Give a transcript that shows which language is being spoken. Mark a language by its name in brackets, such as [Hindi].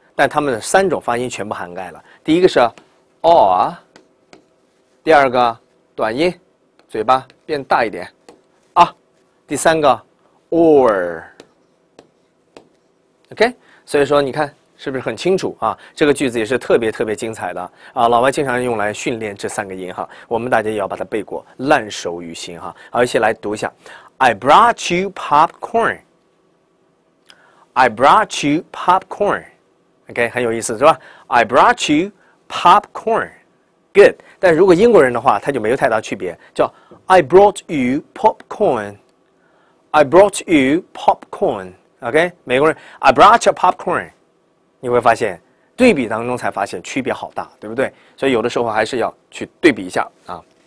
[Chinese] 但它们的三种发音全部涵盖了。第一个是 or， 第二个短音，嘴巴变大一点啊，第三个 or， OK？ 所以说你看。是不是很清楚啊？这个句子也是特别特别精彩的啊！老外经常用来训练这三个音哈，我们大家也要把它背过，烂熟于心哈。好，一起来读一下 ： [English] I brought you popcorn. I brought you popcorn. OK， [Chinese] 很有意思是吧 [English] ？I brought you popcorn. Good. [Chinese] 但如果英国人的话，他就没有太大区别，叫 [English] I brought you popcorn. I brought you popcorn. OK， 美国人 I brought you popcorn. [Chinese] 你会发现对比当中才发现区别好大，对不对？所以有的时候还是要去对比一下啊。